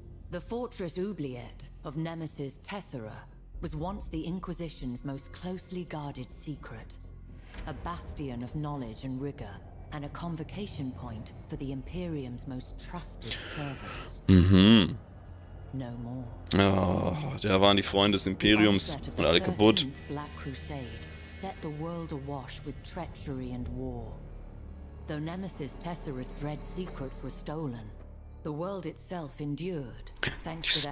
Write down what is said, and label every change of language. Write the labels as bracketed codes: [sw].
[en] The Fortress Oubliette of Nemesis Tessera was once the Inquisition's most closely guarded secret. A bastion of knowledge and rigor, and a convocation point for the Imperium's most trusted servants. Mhm. No more. [de] Oh, da waren die Freunde des Imperiums und alle kaputt. [en] The 13th Black Crusade set the world awash with treachery and war. Though Nemesis Tessera's dread secrets were stolen, the world itself endured, thanks to the